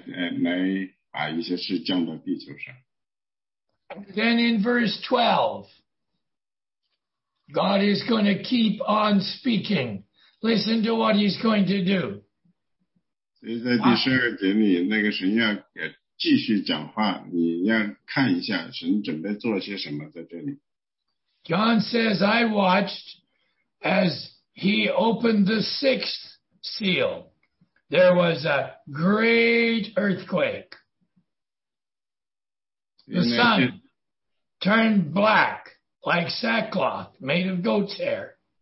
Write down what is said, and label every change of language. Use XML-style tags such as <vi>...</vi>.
<zh>所以呢，在第六章第一节里，他说他会讲，送四个猴来把一些事降到地球上。</zh> <en>Then in verse 12, God is going to keep on speaking. Listen to what he's going to do.</en> <zh>所以在第十二节里，那个神要继续讲话，你要看一下神准备做些什么在这里。</zh> <en>John says, I watched as he opened the sixth seal. There was a great earthquake. The sun turned black like sackcloth made of goat's hair.</en>